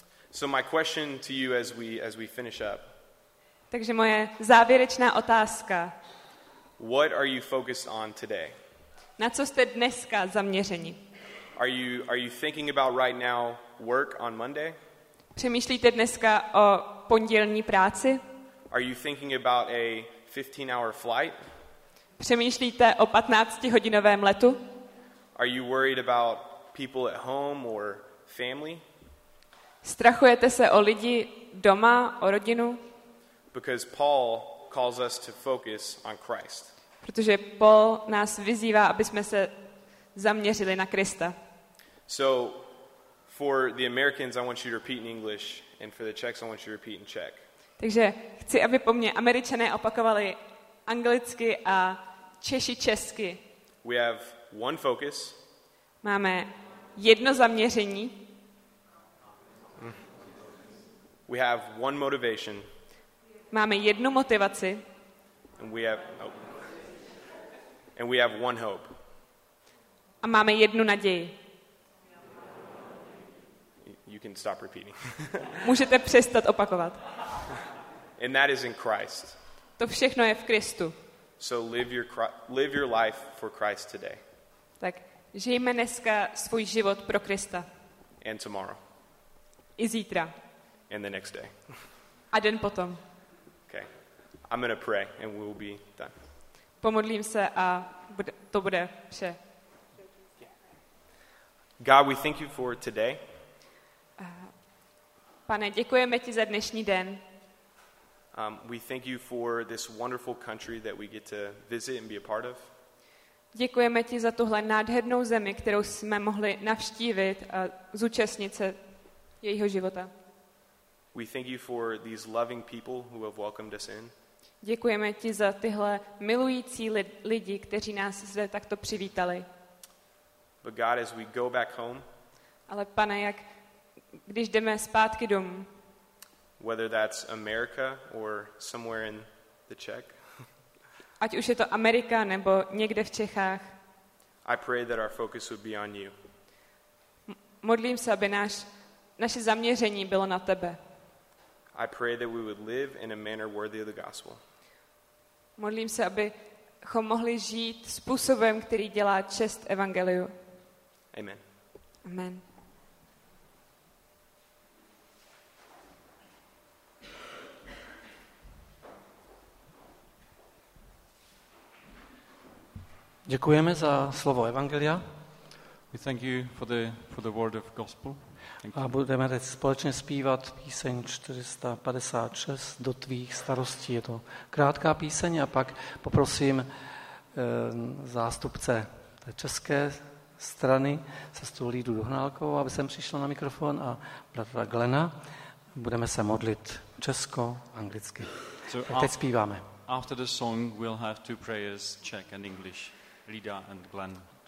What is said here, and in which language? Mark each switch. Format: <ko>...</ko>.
<en>So my question to you as we finish up.</en> <cs>Takže moje závěrečná otázka.</cs> <en>What are you focused on today?</en> <cs>Na co jste dneska zaměřeni?</cs> <en>Are you thinking about right now work on Monday?</en> <cs>Přemýšlíte dneska o pondělní práci?</cs> <en>Are you thinking about a 15-hour flight?</en> <cs>Přemýšlíte o 15-hodinovém letu?</cs> <en>Are you worried about people at home or family?</en> <cs>Strachujete se o lidi doma, o rodinu?</cs> <en>Because Paul calls us to focus on Christ.</en> <cs>Protože Paul nás vyzývá, aby jsme se zaměřili na Krista.</cs> <en>So for the Americans I want you to repeat in English and for the Czechs I want you to repeat in Czech.</en> <cs>Takže chci, aby po mně Američané opakovali anglicky a Češi česky.</cs> <en>We have one focus.</en> <cs>Máme jedno zaměření.</cs> <en>We have one motivation.</en> <cs>Máme jednu motivaci.</cs> <en>And we have one hope.</en> <cs>A máme jednu naději.</cs> <en>You can stop repeating.</en> <cs>Můžete přestat opakovat.</cs> <en>And that is in Christ.</en> <cs>To všechno je v Kristu.</cs> <en>So live your life for Christ today.</en> <cs>Tak žijeme dneska svůj život pro Krista.</cs> <en>And tomorrow.</en> <cs>I zítra.</cs> <en>And the next day.</en> <cs>A den potom.</cs> <en>Okay. I'm going to pray and we'll be done.</en> <cs>Pomodlím se a to bude vše.</cs> <en>God, we thank you for today.</en> <cs>Pane, děkujeme ti za dnešní den.</cs> <en>We thank you for this wonderful country that we get to visit and be a part of.</en> <cs>Děkujeme ti za tuhle nádhernou zemi, kterou jsme mohli navštívit a zúčastnit se jejího života.</cs> <en>We thank you for these loving people who have welcomed us in.</en> <cs>Děkujeme ti za tyhle milující lidi, kteří nás zde takto přivítali.</cs> <en>But God, as we go back home,</en> <cs>ale pane, jak když jdeme zpátky domů,</cs> <en>whether that's America or somewhere in the Czech,</en> <cs>ať už je to Amerika nebo někde v Čechách,</cs> <en>I pray that our focus would be on you.</en> <cs>Modlím se, aby naše zaměření bylo na tebe.</cs> <en>I pray that we would live in a manner worthy of the gospel.</en> <cs>Modlím se, abychom mohli žít způsobem, který dělá čest evangeliu.</cs> <en>Amen.</en> <cs>Amen. Děkujeme za slovo evangelia.</cs> <en>We thank you for the word of gospel.</en> <cs>A budeme teď společně zpívat píseň 456 Do tvých starostí. Je to krátká píseň a pak poprosím zástupce té české strany sestru Lídu Dohnálkovou, aby sem přišla na mikrofon a bratra Glena. Budeme se modlit česko-anglicky. So a teď zpíváme.</cs> <en>After the song we'll have two prayers, Czech and English, Lida and Glen.</en>